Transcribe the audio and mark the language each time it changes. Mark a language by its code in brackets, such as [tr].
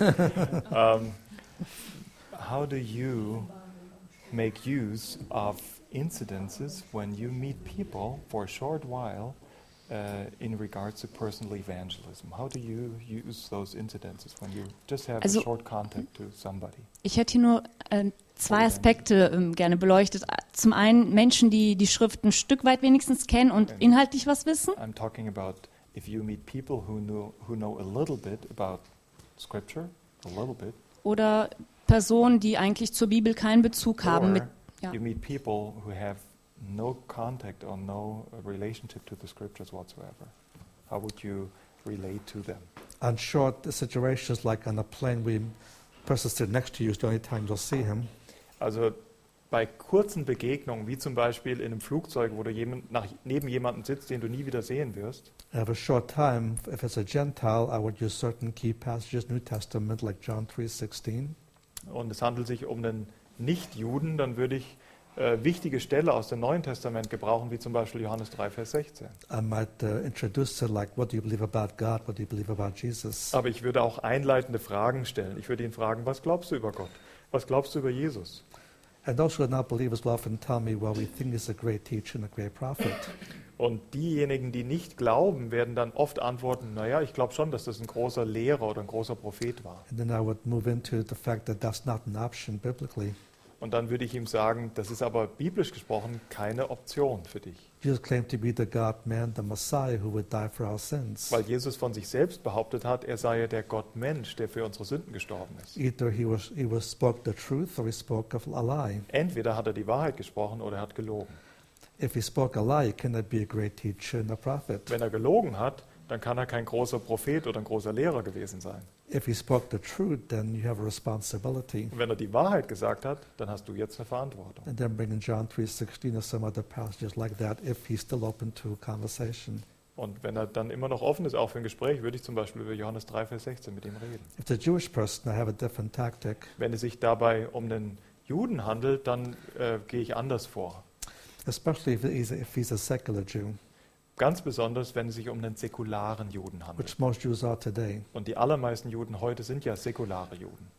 [en] How do you make use of incidences when you meet people for a short while in regards to personal evangelism? How do you use those incidences when you just have also a short contact to somebody? [de] Ich hätte hier nur zwei Aspekte gerne beleuchtet. Zum einen Menschen, die die Schrift ein Stück weit wenigstens kennen und inhaltlich was wissen. [en] I'm talking about if you meet people who know a little bit about scripture, a little bit. [de] Oder Personen, die eigentlich zur Bibel keinen Bezug haben. [en] You meet people who have no contact or no relationship to the scriptures whatsoever. How would you relate to them? In short, the situation is like on a plane, where a person sits next to you, the only time you'll see him. [de] Also bei kurzen Begegnungen, wie zum Beispiel in einem Flugzeug, wo du neben jemanden sitzt, den du nie wieder sehen wirst. [en] I have a short time. If it's a Gentile, I would use certain key passages, New Testament, like John 3:16. [de] Und es handelt sich um einen Nicht-Juden, dann würde ich wichtige Stelle aus dem Neuen Testament gebrauchen, wie zum Beispiel Johannes 3, Vers 16. [en] I might introduce it like, what do you believe about God, what do you believe about Jesus? [de] Aber ich würde auch einleitende Fragen stellen. Ich würde ihn fragen, was glaubst du über Gott? Was glaubst du über Jesus? [en] And those who are not believers will often tell me, well, we think he's a great teacher and a great prophet. [de] Und diejenigen, die nicht glauben, werden dann oft antworten, naja, ich glaube schon, dass das ein großer Lehrer oder ein großer Prophet war. Und dann würde ich ihm sagen, das ist aber biblisch gesprochen keine Option für dich. [en] Jesus claimed to be the God-Man, the Messiah, who would die for our sins. [de] Weil Jesus von sich selbst behauptet hat, er sei ja der Gott-Mensch, der für unsere Sünden gestorben ist. [en] Either he spoke the truth or he spoke of a lie. [de] Entweder hat er die Wahrheit gesprochen oder er hat gelogen. [en] If he spoke a lie, cannot be a great teacher and a prophet. [de] Wenn er gelogen hat, dann kann er kein großer Prophet oder ein großer Lehrer gewesen sein. [en] If he spoke the truth, then you have a responsibility. [de] Und wenn er die Wahrheit gesagt hat, dann hast du jetzt eine Verantwortung. [en] And then bring in John 3:16 or some other passages like that, if he's still open to conversation. [de] Und wenn er dann immer noch offen ist, auch für ein Gespräch, würde ich zum Beispiel über Johannes 3, Vers 16 mit ihm reden. [en] If the Jewish person, I have a different tactic. [de] Wenn es sich dabei um einen Juden handelt, dann gehe ich anders vor. [en] Especially if he's a secular Jew. [de] Ganz besonders, wenn es sich um einen säkularen Juden handelt. [en] Which most Jews are today. [de] Und die allermeisten Juden heute sind ja säkulare Juden.